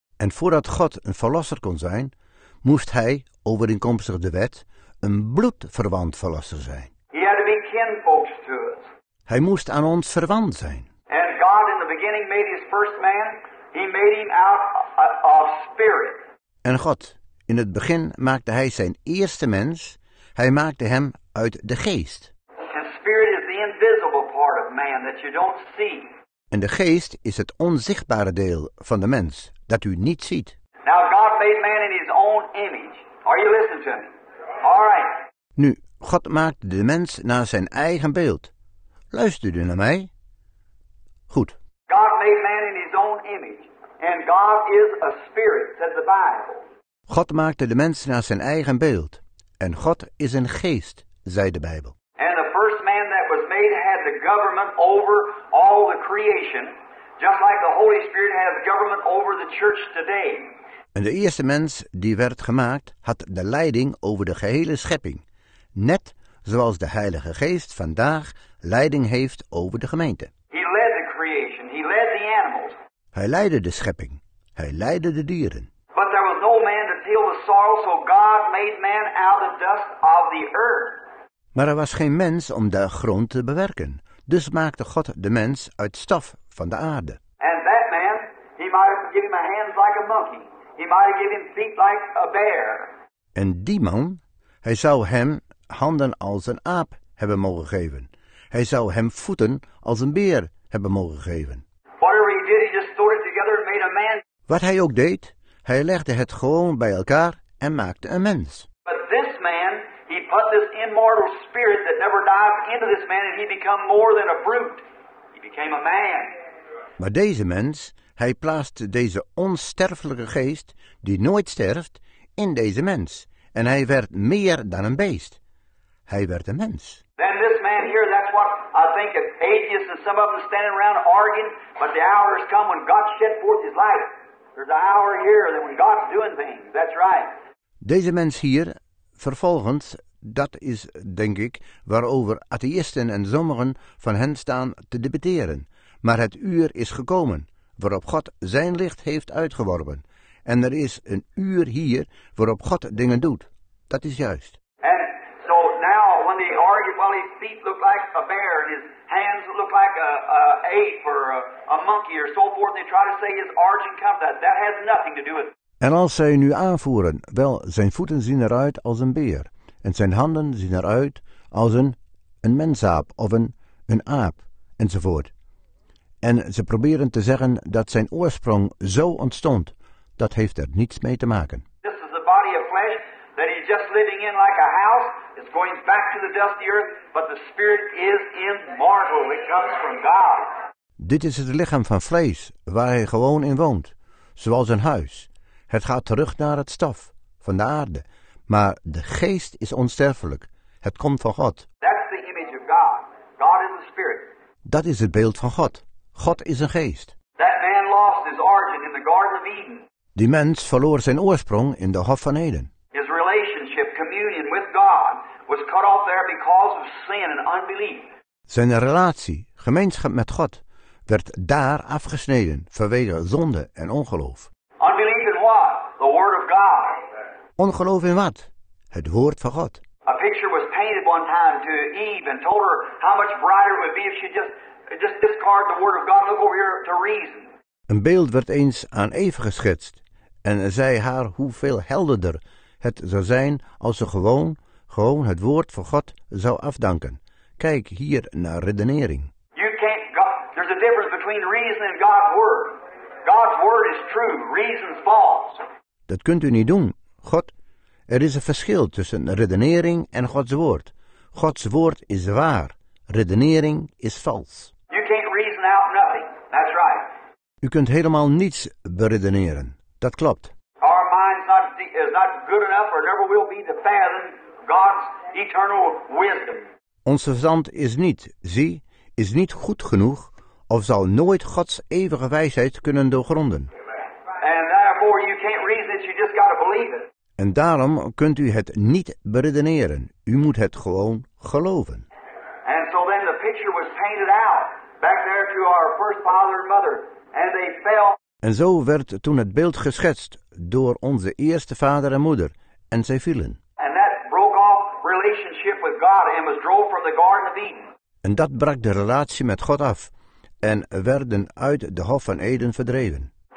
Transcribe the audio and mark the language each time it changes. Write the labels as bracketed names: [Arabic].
[Dutch] En voordat God een verlosser kon zijn, moest hij, overeenkomstig de wet, een bloedverwant verlosser zijn. [English] He had to be kin folks to us. [Dutch] Hij moest aan ons verwant zijn. [English] And God in the beginning made his first man, he made him out of spirit. [Dutch] En God, in het begin maakte hij zijn eerste mens, hij maakte hem uit de geest. [English] And spirit is the invisible part of man that you don't see. [Dutch] En de geest is het onzichtbare deel van de mens dat u niet ziet. [English] Now God made man in his own image. Are you listening to me? All right. [Dutch] Nu, God maakte de mens naar zijn eigen beeld. Luister u naar mij? Goed. [English] God made man in his own image. And God is a spirit, says the Bible. [Dutch] God maakte de mens naar zijn eigen beeld. En God is een geest, zei de Bijbel. [English] And the first man that was made had the government over all the creation. Just like the Holy Spirit has government over the church today. [Dutch] En de eerste mens die werd gemaakt had de leiding over de gehele schepping. Net zoals de Heilige Geest vandaag leiding heeft over de gemeente. [English] He led the creation. He led the animals. [Dutch] Hij leidde de schepping. Hij leidde de dieren. [English] But there was no man to till the soil, so God made man out of dust of the earth. [Dutch] Maar er was geen mens om de grond te bewerken. Dus maakte God de mens uit stof van de aarde. [English] And that man, he might have given him a hand like a monkey. He might have given him feet like a bear. [Dutch] En die man, hij zou hem handen als een aap hebben mogen geven. Hij zou hem voeten als een beer hebben mogen geven. [English] Whatever he did, he just stored it together and made a man. [Dutch] Wat hij ook deed, hij legde het gewoon bij elkaar en maakte een mens. [English] But this man, he put this immortal spirit that never died into this man and he became more than a brute. Became a man. [Dutch] Maar deze mens, hij plaatste deze onsterfelijke geest, die nooit sterft, in deze mens. En hij werd meer dan een beest. Hij werd een mens. [English] Then this man here, that's what I think of atheists and some of them standing around arguing, but the hour has come when God shed forth his light. There's an hour here that when God's doing things, that's right. [Dutch] Deze mens hier, vervolgens, dat is, denk ik, waarover atheïsten en sommigen van hen staan te debatteren. Maar het uur is gekomen, waarop God zijn licht heeft uitgeworpen. En er is een uur hier waarop God dingen doet. Dat is juist. [English] And so now when they argue, well, his feet look like a bear and his hands look like a ape or a monkey or so forth, they try to say his origin comes from that. That has nothing to do with it. [Dutch] En als zij nu aanvoeren, wel, zijn voeten zien eruit als een beer. En zijn handen zien eruit als een mensaap of een aap, enzovoort. En ze proberen te zeggen dat zijn oorsprong zo ontstond. Dat heeft er niets mee te maken. [English] This is the body of flesh that he's just living in like a house. It's going back to the dusty earth, but the spirit is immortal. It comes from God. [Dutch] Dit is het lichaam van vlees waar hij gewoon in woont, zoals een huis. Het gaat terug naar het stof van de aarde. Maar de geest is onsterfelijk. Het komt van God. [English] That's the image of God. God is a spirit. [Dutch] Dat is het beeld van God. God is een geest. [English] That man lost his origin in the Garden of Eden. [Dutch] Die mens verloor zijn oorsprong in de Hof van Eden. [English] His relationship, communion with God, was cut off there because of sin and unbelief. [Dutch] Zijn relatie, gemeenschap met God, werd daar afgesneden vanwege zonde en ongeloof. [English] Unbelief in what? The Word of God. [Dutch] Ongeloof in wat? Het woord van God. [English] A picture was painted one time to Eve and told her how much brighter it would be if she just discard the word of God and look over here to reason. [Dutch] Een beeld werd eens aan Eve geschetst en zei haar hoeveel helderder het zou zijn als ze gewoon het woord van God zou afdanken. Kijk hier naar redenering. [English] You can't go, there's a difference between reason and God's word. God's word is true, reason's false. [Dutch] Dat kunt u niet doen. God, er is een verschil tussen redenering en Gods woord. Gods woord is waar, redenering is vals. [English] You can't reason out nothing. That's right. [Dutch] U kunt helemaal niets beredeneren, dat klopt. [English] Our mind's not good enough or never will be to fathom God's eternal wisdom. [Dutch] Ons verstand is niet goed genoeg of zal nooit Gods eeuwige wijsheid kunnen doorgronden. [English] And therefore you can't reason it, you just gotta believe it. [Dutch] En daarom kunt u het niet beredeneren. U moet het gewoon geloven. [English] And so then the picture was painted out back there to our first father and mother and they fell. [Dutch] En zo werd toen het beeld geschetst door onze eerste vader en moeder en zij vielen. [English] And that broke off relationship with God and was drove from the Garden of Eden. [Dutch] En dat brak de relatie met God af en werden uit de Hof van Eden verdreven.